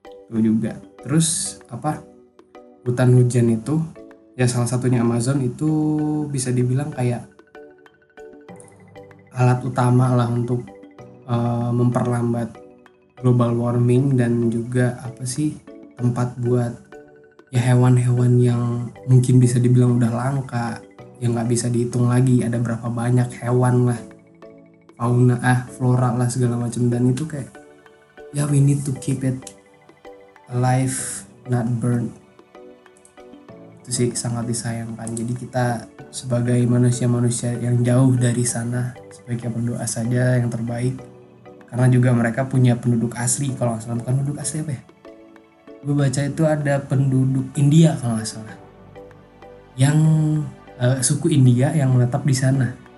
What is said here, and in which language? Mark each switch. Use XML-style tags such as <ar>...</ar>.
<id>Itu juga, terus apa, hutan hujan itu ya salah satunya Amazon, itu bisa dibilang kayak alat utama lah untuk memperlambat global warming, dan juga apa sih, tempat buat ya hewan-hewan yang mungkin bisa dibilang udah langka, yang gak bisa dihitung lagi ada berapa banyak hewan lah, fauna flora lah segala macam. Dan itu kayak ya,</id> <en>we need to keep it alive, not burn.</en> <id>Itu sih sangat disayangkan. Jadi kita sebagai manusia-manusia yang jauh dari sana, sebaiknya berdoa saja yang terbaik. Karena juga mereka punya penduduk asli, kalau nggak salah, bukan penduduk asli apa ya? Gue baca itu ada penduduk India kalau nggak salah, yang suku India yang menetap di sana.</id>